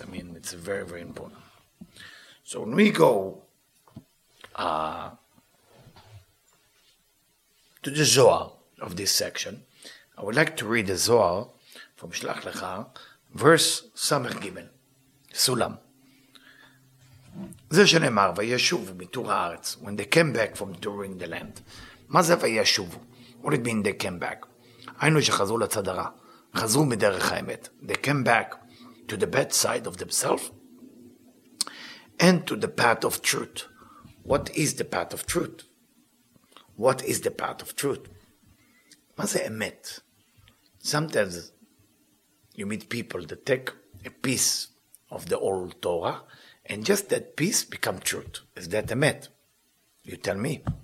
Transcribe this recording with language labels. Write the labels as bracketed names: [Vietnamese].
[English] I mean, it's very, very important. So when we go to the Zohar of this section, I would like to read the Zohar from Shlach Lecha, verse Samech Gimel, Sulam. [Hebrew] זה שנאמר, וישובו מתור הארץ, [English] when they came back from touring the land. [Hebrew] מה זה וישובו? [English] What it mean they came back? [Hebrew] היינו שחזרו לצד הרע, חזרו מדרך האמת. [English] They came back to the bad side of themselves and to the path of truth. What is the path of truth? What is the path of truth? [Hebrew] מה זה אמת? [English] Sometimes you meet people that take a piece of the old Torah and just that piece become truth. Is that emet? You tell me.